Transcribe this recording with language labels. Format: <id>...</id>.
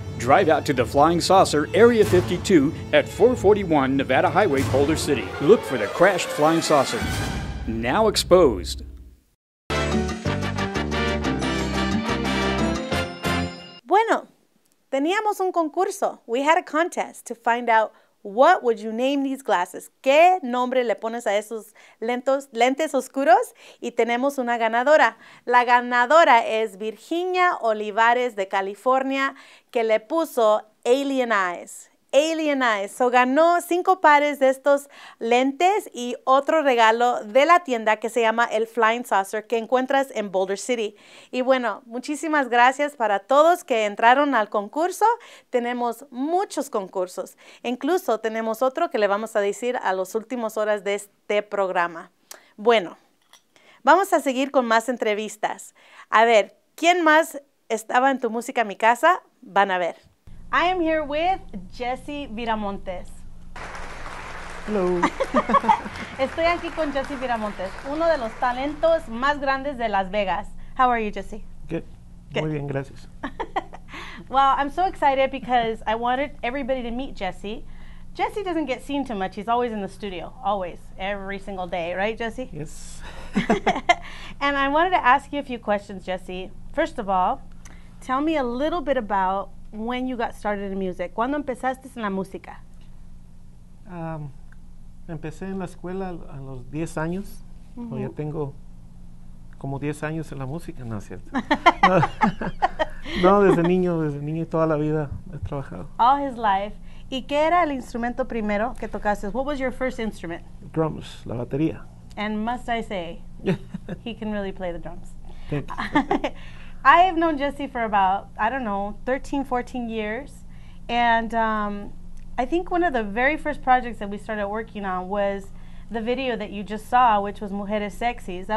<en>Drive out to the Flying Saucer, Area 52, at 441 Nevada Highway, Boulder City. Look for the crashed flying saucer. Now exposed.</en> <es>Bueno, teníamos un concurso.</es> <en>We had a contest to find out what would you name these glasses.</en> <es>¿Qué nombre le pones a esos lentes oscuros? Y tenemos una ganadora. La ganadora es Virginia Olivares de California, que le puso Alien Eyes. Alien Eyes. So ganó 5 pares de estos lentes y otro regalo de la tienda que se llama El Flying Saucer, que encuentras en Boulder City. Y bueno, muchísimas gracias para todos que entraron al concurso. Tenemos muchos concursos. Incluso tenemos otro que le vamos a decir a las últimas horas de este programa. Bueno, vamos a seguir con más entrevistas. A ver, ¿quién más estaba en Tu Música Mi Casa? Van a ver.</es> <en>I am here with Jessie Viramontes. Hello.</en> <es>Estoy aquí con Jessie Viramontes, uno de los talentos más grandes de Las Vegas.</es> <en>How are you, Jessie?</en> <es>Good. Muy bien, gracias.</es> <en>Well, I'm so excited because I wanted everybody to meet Jessie. Jessie doesn't get seen too much. He's always in the studio, always, every single day. Right, Jessie? Yes. And I wanted to ask you a few questions, Jessie. First of all, tell me a little bit about when you got started in music.</en> <es>¿Cuándo empezaste en la música? Empecé en la escuela a los 10 años. Mm-hmm. Ya tengo como 10 años en la música. No, es cierto. No, desde niño y toda la vida he trabajado.</es> <en>All his life.</en> <es>¿Y qué era el instrumento primero que tocaste?</es> <en>What was your first instrument?</en> <es>Drums, la batería.</es> <en>And must I say, he can really play the drums. Thank you. I have known Jessie for about, 13-14 years. And I think one of the very first projects that we started working on was the video that you just saw, which was Mujeres Sexys.</en>